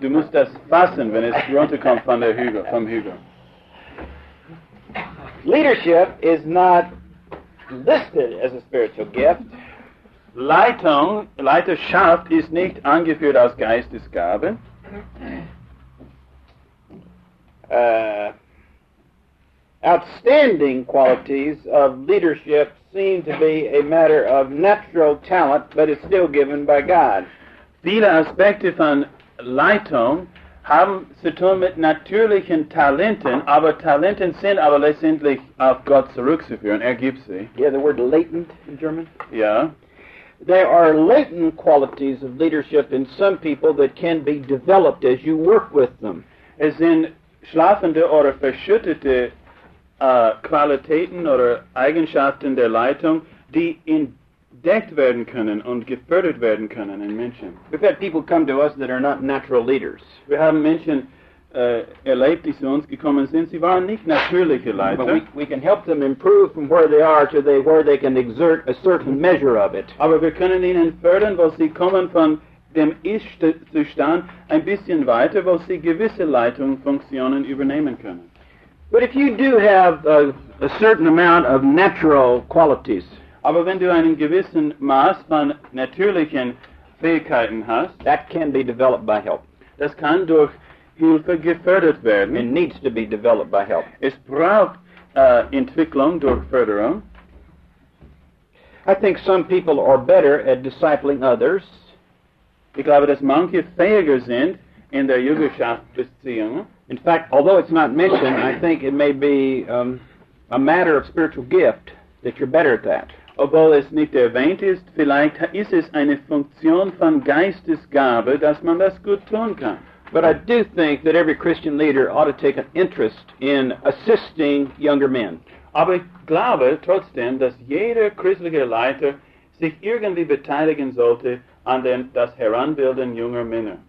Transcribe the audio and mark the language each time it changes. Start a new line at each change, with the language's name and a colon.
German: Du musst das fassen, wenn es runterkommt von der Hügel.
English: Leadership is not listed as a spiritual gift.
German: Leiterschaft ist nicht angeführt als Geistesgabe.
English: Outstanding qualities of leadership seem to be a matter of natural talent, but it's still given by God.
German: viele Aspekte von Leitung haben zu tun mit natürlichen Talenten, aber Talenten sind aber letztendlich auf Gott zurückzuführen. Er gibt sie.
English: Yeah, the word latent in German. Yeah. There are latent qualities of leadership in some people that can be developed as you work with them.
German: Es sind schlafende oder verschüttete Qualitäten oder Eigenschaften der Leitung, die entdeckt werden können und gefördert werden können in Menschen.
English: We've had people come to us that are not natural leaders.
German: Wir haben Menschen erlebt, die zu uns gekommen sind, sie waren nicht natürliche Leiter.
English: But we can help them improve from where they are to where they can exert a certain measure of it.
German: Aber wir können ihnen fördern, wo sie kommen von dem Ist-Zustand ein bisschen weiter, wo sie gewisse Leitungsfunktionen übernehmen können.
English: But if you do have a certain amount of natural qualities,
German: aber wenn du einen gewissen Maß von natürlichen Fähigkeiten hast,
English: that can be developed by help.
German: Das kann durch Hilfe gefördert werden.
English: It needs to be developed by help.
German: Es braucht Entwicklung durch Förderung.
English: I think some people are better at discipling others.
German: Ich glaube, dass manche fähiger sind in der Jüngerschaftsbeziehung.
English: In fact, although it's not mentioned, I think it may be a matter of spiritual gift that you're better at that.
German: Obwohl es nicht erwähnt ist, vielleicht ist es eine Funktion von Geistesgabe, dass man das gut tun kann.
English: But I do think that every Christian leader ought to take an interest in assisting younger men.
German: Aber ich glaube trotzdem, dass jeder christliche Leiter sich irgendwie beteiligen sollte an dem das Heranbilden junger Männer.